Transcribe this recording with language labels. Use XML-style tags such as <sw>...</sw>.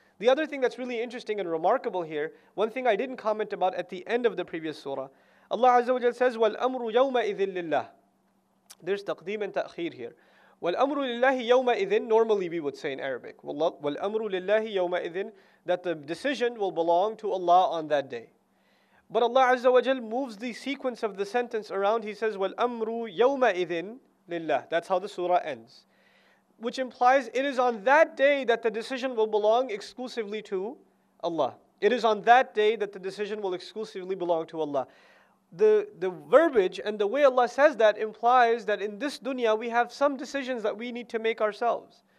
<en>The other thing that's really interesting and remarkable here, one thing I didn't comment about at the end of the previous surah, Allah Azza wa Jal says,</en> <ar>وَالْأَمْرُ يَوْمَ إِذٍ لِلَّهِ.</ar> <en>There's taqdeem and ta'khir here.</en> <ar>وَالْأَمْرُ لِلَّهِ يَوْمَ إِذٍ,</ar> <en>normally we would say in Arabic, وَالْأَمْرُ لِلَّهِ يَوْمَ إِذٍ, that the decision will belong to Allah on that day. But Allah Azza wa Jal moves the sequence of the sentence around. He says,</en> <ar>وَالْأَمْرُ يَوْمَئِذٍ لِلَّهِ.</ar> <en>That's how the surah ends. Which implies it is on that day that the decision will belong exclusively to Allah. It is on that day that the decision will exclusively belong to Allah. The verbiage and the way Allah says that implies that in this dunya we have some decisions that we need to make ourselves.</en>